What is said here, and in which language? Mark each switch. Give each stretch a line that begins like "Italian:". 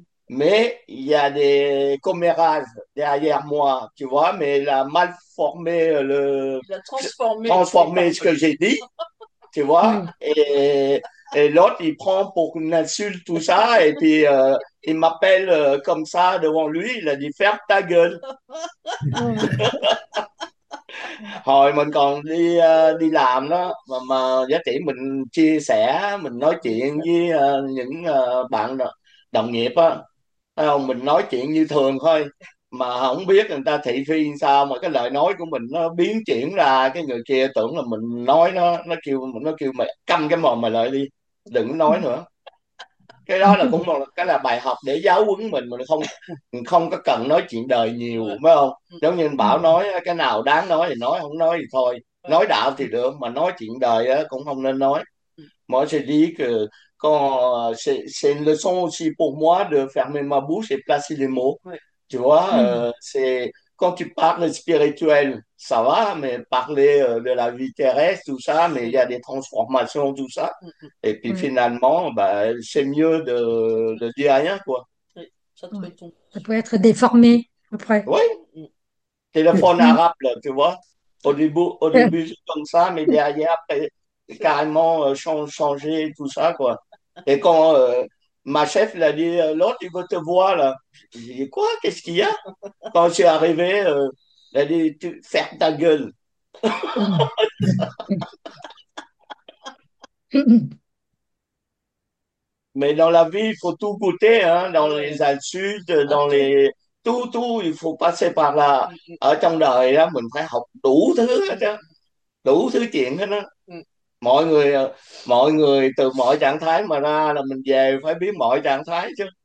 French: Mais il y a des commérages derrière moi, tu vois, mais il a mal formé le Il a transformé les transformé ce paroles. que j'ai dit, tu vois, et l'autre il prend pour une insulte tout ça, et puis il m'appelle comme ça devant lui, il a dit ferme ta gueule.
Vietnamese: Hồi mình còn đi đi làm đó mà giá trị mình chia sẻ, mình nói chuyện với những bạn đó, đồng nghiệp á, thấy không, mình nói chuyện như thường thôi mà không biết người ta thị phi sao, mà cái lời nói của mình nó biến chuyển ra, cái người kia tưởng là mình nói nó kêu mày câm cái mồm mày lại đi, đừng nói nữa. Cái đó là cũng một cái là bài học để giáo huấn mình không có cần nói chuyện đời nhiều, phải không? Giống như Bảo nói, cái nào đáng nói thì nói, không nói thì thôi, nói đạo thì được mà nói chuyện đời á cũng không nên nói.
French: Moi je dis que quand c'est une leçon aussi pour moi de fermer ma bouche et placer les mots. Tu vois, c'est quand tu parles spirituel, ça va, mais parler de la vie terrestre, tout ça, mais il y a des transformations, tout ça. Et puis finalement, bah, c'est mieux de dire rien, quoi. Ça te retombe. Ça peut être déformé après. Oui, téléphone Depuis. arabe, là, tu vois. Au début, c'est comme ça, mais derrière, après, carrément changer tout ça, quoi. Et quand ma chef l'a dit, l'autre, il veut te voir, là. J'ai dit, quoi? Qu'est-ce qu'il y a? Quand je suis arrivé, elle a dit, tu fermes ta gueule. Mais dans la vie, il faut tout goûter, hein, dans les insultes, dans les. Tout, tout, il faut passer par là.
Vietnamese: Ở trong đời, là, mình phải học đủ thứ hết đó. Đủ thứ chuyện hết đó. Mọi người từ mọi trạng thái mà ra là mình về phải biết mọi trạng thái chứ.